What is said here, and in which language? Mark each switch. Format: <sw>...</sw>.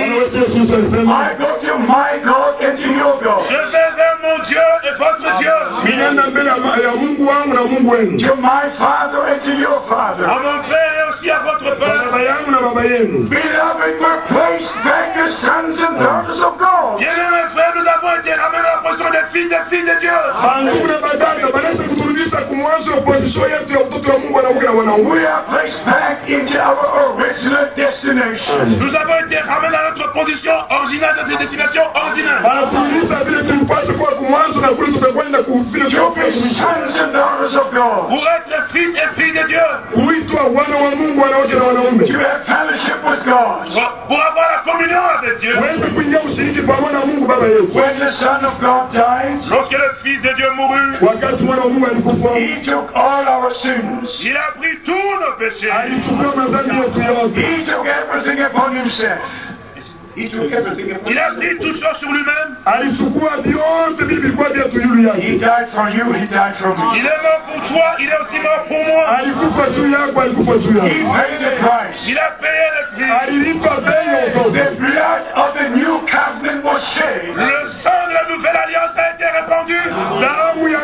<en>I go to my God and to your God.</en> <fr>Je vais vers mon Dieu et votre Dieu.</fr> <en>To my Father and to your Father.</en> <fr>À mon Père et aussi à votre Père.</fr> <en>Beloved, we're placed back as sons and daughters of God.</en> <fr>Bien-aimés frères, nous avons été ramenés à la position des filles et filles de Dieu. Nous avons été ramenés à notre position originale, notre destination originale. Pour être les fils et filles de Dieu. Pour avoir la communion avec Dieu.</fr> <en>When the Son of God died,</en> <fr>lorsque le Fils de Dieu mourut,</fr> <en>he took all our sins.</en> <fr>Il a pris tous nos péchés.</fr> <en>He took everything upon himself. He took everything upon himself.</en> <fr>Il a pris toutes choses sur lui-même.</fr> <en>He died for you, he died for me.</en> <fr>Il est mort pour toi, il est aussi mort pour moi.</fr> <en>He paid the price.</en> <fr>Il a payé le prix.</fr> <en>The blood of the new covenant was shed.</en> <fr>Le sang de la nouvelle alliance a été répandu.</fr>